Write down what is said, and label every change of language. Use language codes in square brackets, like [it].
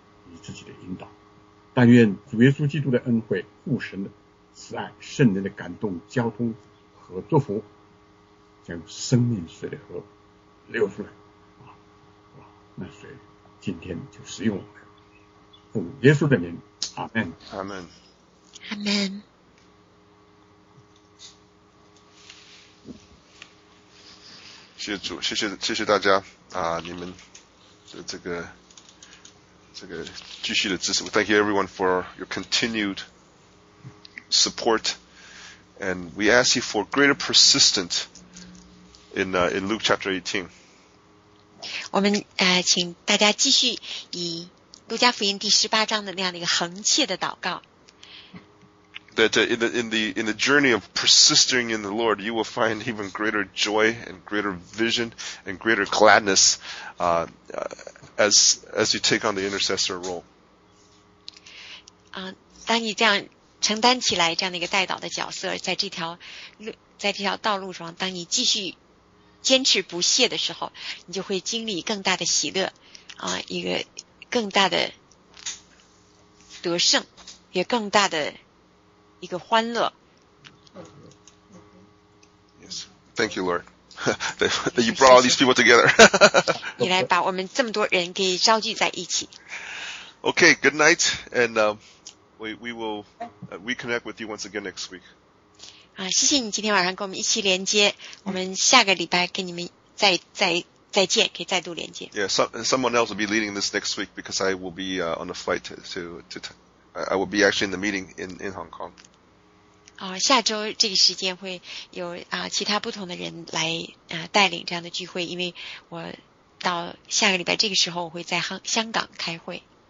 [zh] 以自己的引导，但愿主耶稣基督的恩惠、父神的慈爱、圣灵的感动、交通和祝福，将生命水的河流出来，那水今天就使用我们，奉耶稣的名，阿门，阿门，阿门。谢主，谢谢，谢谢大家啊，你们的这个继续的支持。 [en] Thank you everyone for your continued support, and we ask you for greater persistence in Luke chapter 18. [zh] 我们请大家继续以路加福音第十八章的那样的一个恒切的祷告。 [en] That in the journey of persisting in the Lord, you will find even greater joy and greater vision and greater gladness, as you take on the intercessor role. [zh] 当你这样承担起来这样的一个代祷的角色，在这条路，在这条道路上，当你继续坚持不懈的时候，你就会经历更大的喜乐，一个更大的得胜，也更大的。一个欢乐。 [en] Yes, thank you, Lord, that you brought all these people together. [zh] 你来把我们这么多人给召聚在一起。 [en] Okay, good night, and we will reconnect with you once again next week. [zh] 谢谢你今天晚上跟我们一起连接，我们下个礼拜跟你们再见，可以再度连接。 [en] Yeah, someone else will be leading this next week because I will be on a flight to I will be actually in the meeting in Hong Kong. [zh] 下周这个时间会有其他不同的人来带领这样的聚会，因为我到下个礼拜这个时候我会在香港开会。